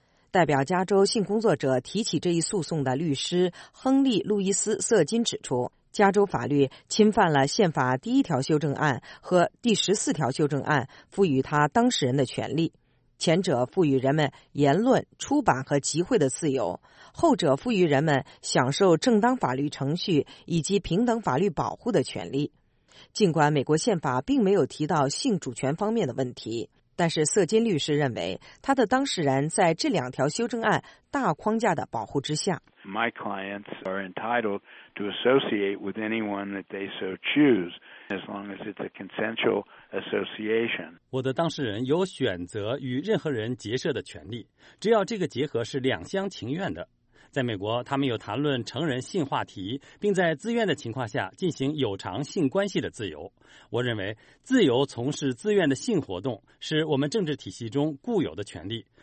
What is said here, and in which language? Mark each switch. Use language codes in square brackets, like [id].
[zh] 代表加州性工作者提起这一诉讼的律师亨利·路易斯·瑟金指出，加州法律侵犯了宪法第一条修正案和第14条修正案赋予他当事人的权利，前者赋予人们言论、出版和集会的自由，后者赋予人们享受正当法律程序以及平等法律保护的权利。尽管美国宪法并没有提到性主权方面的问题，但是瑟金律师认为他的当事人在这两条修正案大框架的保护之下。 [en] My clients are entitled to associate with anyone that they so choose. As long as it's a consensual association. [zh] 我的当事人有选择与任何人结社的权利，只要这个结合是两厢情愿的。在美国，他们有谈论成人性话题，并在自愿的情况下进行有偿性关系的自由。我认为，自由从事自愿的性活动是我们政治体系中固有的权利。